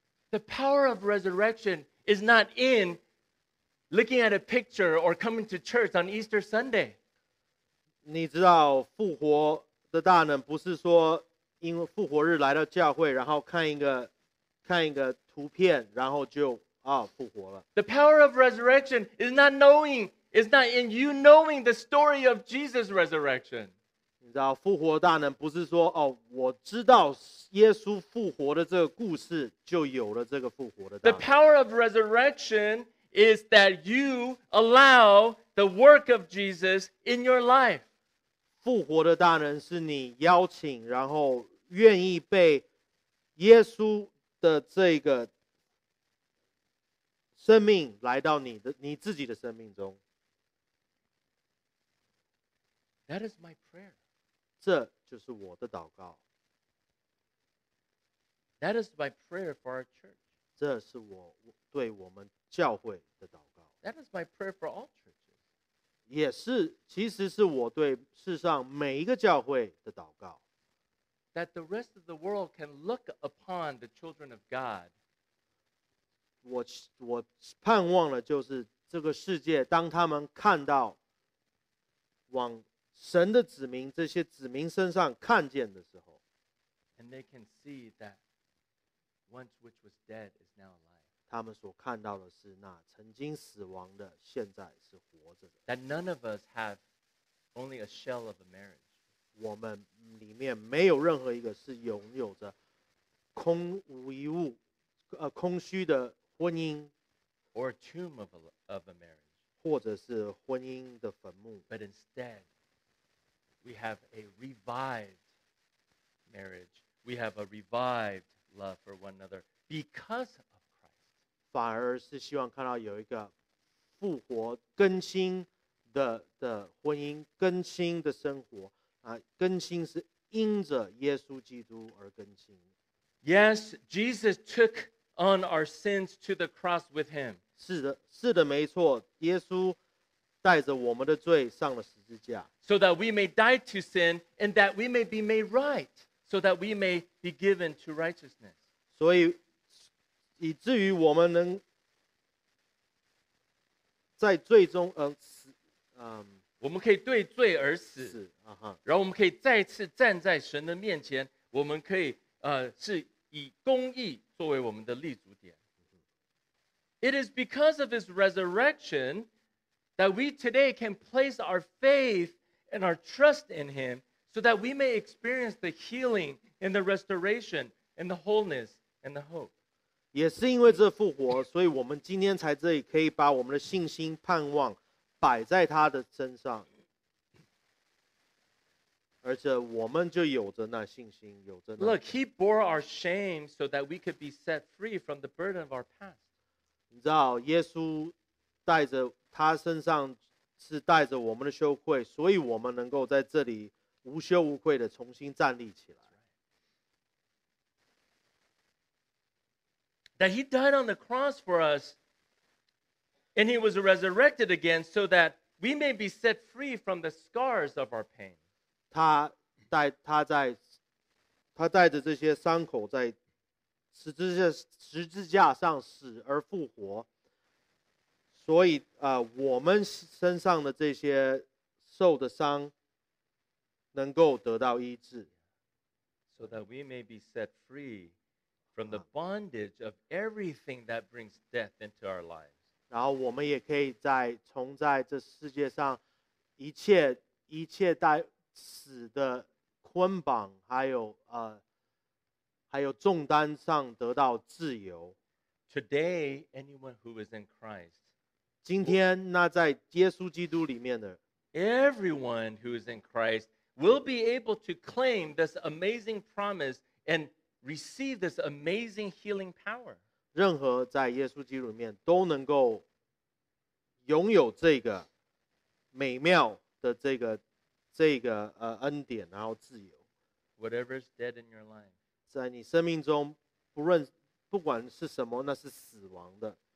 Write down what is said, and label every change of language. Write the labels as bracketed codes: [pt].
[en] The power of resurrection is not in looking at a picture or coming to church on Easter Sunday. [zh] 你知道复活的大能不是说因为复活日来到教会，然后看一个图片，然后就复活了。 [en] The power of resurrection is not knowing, is not in you knowing the story of Jesus' resurrection. [zh] 你知道复活大能不是说我知道。耶稣复活的这个故事就有了这个复活的大能。 [en] The power of resurrection is that you allow the work of Jesus in your life. [zh] 复活的大能是你邀请，然后愿意被耶稣的这个生命来到你自己的生命中。 [en] That is my prayer. [zh] 这就是我的祷告。 [en] That is my prayer for our church. [zh] 这是我对我们教会的祷告。 [en] That is my prayer for all churches. [zh] 也是其实是我对世上每一个教会的祷告。 [en] That the rest of the world can look upon the children of God. [zh] 我盼望的就是这个世界当他们看到往神的子民这些子民身上看见的时候。 [en] And they can see that once which was dead is now alive. [zh] 他们所看到的是那曾经死亡的现在是活着的。 [en] That none of us have only a shell of a marriage. [zh] 我们里面没有任何一个是拥有着空无一物、空虚的婚姻 [en] or a tomb of a marriage. [zh] 或者是婚姻的坟墓。 [en] But instead, we have a revived marriage. We have a revived love for one another because of [zh] 反而是希望看到有一个复活更新 的婚姻更新的生活、更新是因着耶稣基督而更新 [en] Yes, Jesus took on our sins to the cross with him [zh] 是的没错耶稣带着我们的罪上了十字架 [en] So that we may die to sin and that we may be made right So that we may be given to righteousness [zh] 所以以至于我们能在最终死、我们可以对罪而死、 uh-huh. 然后我们可以再次站在神的面前我们可以、是以公义作为我们的立足点、uh-huh. [en] It is because of his resurrection that we today can place our faith and our trust in him so that we may experience the healing and the restoration and the wholeness and the hope [zh] 也是因为这复活所以我们今天才这里可以把我们的信心盼望摆在他的身上而且我们就有着那信心有着那 [en] Look, he bore our shame so that we could be set free from the burden of our past [zh] 你知道耶稣带着他身上是带着我们的羞愧所以我们能够在这里无羞无愧的重新站立起来 [en] That he died on the cross for us and he was resurrected again so that we may be set free from the scars of our pain. [zh] 他带着这些伤口在十字架上死而复活。所以我们身上的这些受的伤能够得到医治。 [en] So that we may be set free. From the bondage of everything that brings death into our lives. [zh] 然后我们也可以在从在这世界上一切带死的捆绑，还有重担上得到自由。 [en] Today, anyone who is in Christ. [zh] 今天那在耶稣基督里面的 [en] everyone who is in Christ will be able to claim this amazing promise and. Receive this amazing healing power. [zh] 任何在耶稣基督里面都能够拥有这个美妙的这个恩典，然后自由。 [en] Whatever is dead in your life, [zh] 在你生命中，不管是什么，那是死亡的。